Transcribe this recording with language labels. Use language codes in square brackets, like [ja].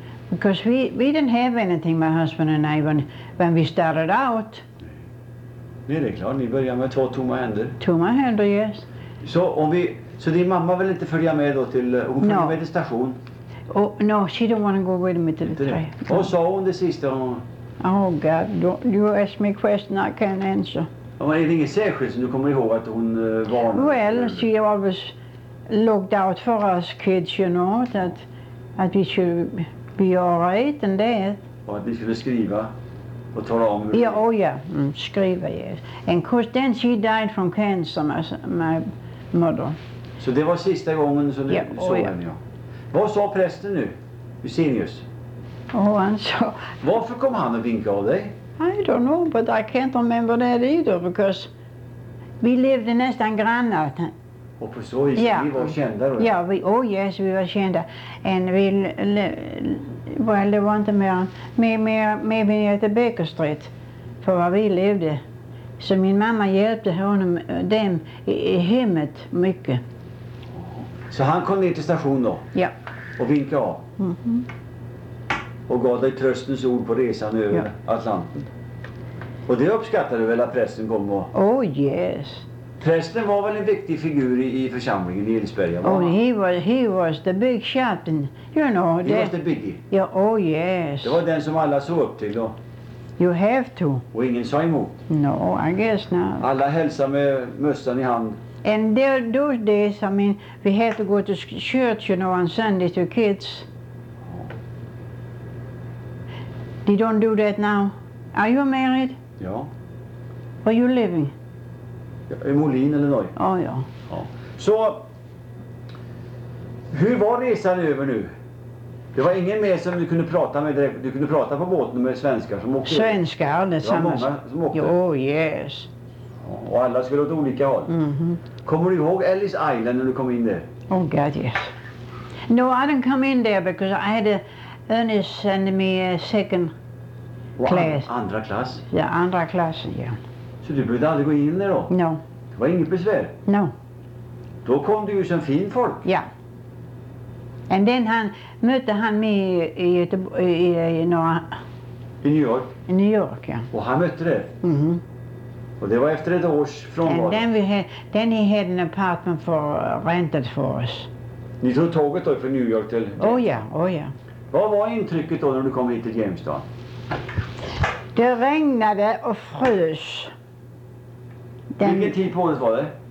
[en] Because we didn't have anything, my husband and I, when we started out. [sv] Nej, det är klart. Ni började med två tomma händer. Tomma händer, yes. Så din mamma vill inte följa med då till... Hon följer med till station. [en] Oh, no, she don't want to go with me to the train. [sv] Och sa hon det sista? [en] Oh God, you ask me questions I can't answer. [sv] Men är det inget särskilt som du kommer ihåg att hon var... [en] Well, she always looked out for us kids, you know, that we should be all right and that. [sv] Och att vi skulle skriva och tala om [en] hur... Yeah, oh yeah, skriva, yes. And of course then she died from cancer, my mother. [sv] Så det var sista gången som du såg henne, ja. Vad sa prästen nu, Eusenius? Oh, han sa... Varför kom han och vinkade av dig? [en] I don't know, but I can't remember that either, because we lived in [sv] nästan grannar. Och på så vis, yeah. Vi var kända då? Ja, yeah, oh yes, vi var kända. And we... Well, det var inte mer än... [en] Maybe near the Baker Street, [sv] för var vi levde. Så min mamma hjälpte honom, dem, i hemmet mycket. Så han kom ner till stationen då? Ja. Yeah. Och vinkade av? Mm-hmm. Och gav dig tröstens ord på resan över Atlanten. Och det uppskattade du väl att prästen kom och... [en] Oh yes. [sv] Prästen var väl en viktig figur i församlingen i Edsberga? [en] Oh, he was the big captain, you know. He was the biggie? Yeah, oh yes. [sv] Det var den som alla såg upp till då? [en] You have to. [sv] Och ingen sa emot? [en] No, I guess not. [sv] Alla hälsade med mössan i hand. [en] And those days, I mean, we had to go to church, you know, on Sunday to kids. They don't do that now. Are you married? [sv] Ja. [en] Where you living? [sv] I Molin eller Norge. Oh, ja. Så, hur var resan över nu? Det var ingen mer som du kunde prata med direkt. Du kunde prata på båten med svenskar som åkte. Svenskar, alldeles samma. Det var många som åkte. [en] Oh, yes. [sv] Och alla skulle åt olika håll. Mm-hmm. Kommer du ihåg Ellis Island när du kom in där? [en] Oh, God, yes. No, I didn't come in there because I had a... Ernest sände mig second class. [sv] Andra klass? Ja, andra klass, ja. Så du behövde aldrig gå in där då? [en] No. [sv] Det var inget besvär? [en] No. [sv] Då kom du ju som fin folk. Ja. Yeah. [en] And then [sv] han mötte han mig i Göteborg, i New York? I New York, ja. Och han mötte dig? Mm-hmm. Och det var efter ett års frånvaro? [en] And then he had an apartment for rented for us. [sv] Ni tog tåget då från New York till... Oh ja, yeah. Oh ja. Yeah. Vad var intrycket då när du kom hit till Jamestown? Det regnade och frös. Vilken tid på året var det?